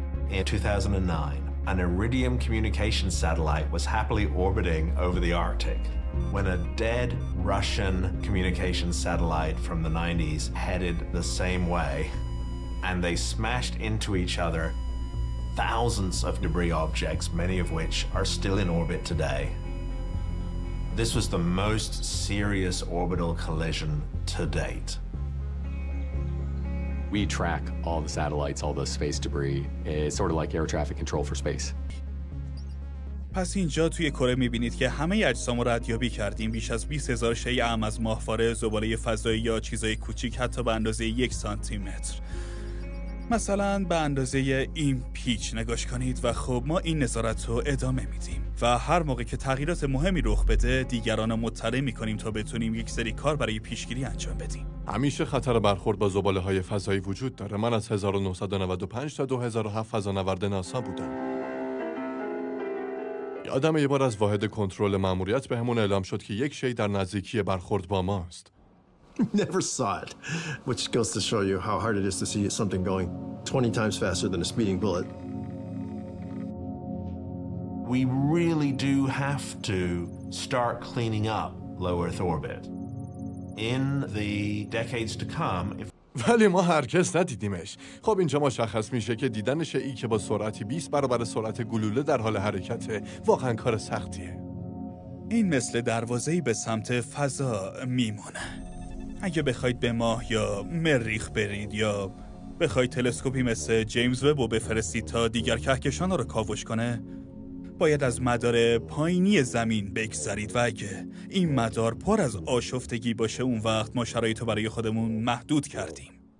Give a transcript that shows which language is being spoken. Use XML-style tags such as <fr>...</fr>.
<en>In 2009 an Iridium communication satellite was happily orbiting over the Arctic when a dead Russian communication satellite from the 90s headed the same way and they smashed into each other thousands of debris objects, many of which are still in orbit today. This was the most serious orbital collision to date. We track all the satellites, all the space debris. It's sort of like air traffic control for space.</en> <fa>پس اینجا توی کره می‌بینید که همه اجسام رو ردیابی کردیم. بیش از 20,000 شیء اعم از ماهواره، زباله فضایی یا چیزای کوچیک حتی به اندازه 1 سانتی متر. مثلا به اندازه این پیچ نگاش کنید و خب ما این نظارت رو ادامه میدیم و هر موقع که تغییرات مهمی رخ بده دیگران رو مطلع میکنیم تا بتونیم یک سری کار برای پیشگیری انجام بدیم. همیشه خطر برخورد با زباله های فضایی وجود داره. من از 1995 تا 2007 فضانورد ناسا بودم. یادم یه بار از واحد کنترل ماموریت به همون اعلام شد که یک شی در نزدیکی برخورد با ماست.</fa> <en>Never saw it, which goes to show you how hard it is to see something going 20 times faster than a speeding bullet. We really do have to start cleaning up low Earth orbit in the decades to come.</en> <fa>ولی ما هرگز ندیدیمش. خب اینجا مشخص میشه که دیدنش ای که با سرعتی 20 برابر سرعت گلوله در حال حرکت واقعا کار سختیه. این مثل دروازه‌ای به سمت فضا میمونه. اگه بخواید به ماه یا مریخ برید یا بخواید تلسکوپی مثل جیمز وب رو بفرستید تا دیگر کهکشان رو کاوش کنه، باید از مدار پایینی زمین بگذارید و اگه این مدار پر از آشفتگی باشه اون وقت ما شرایط رو برای خودمون محدود کردیم.</fa>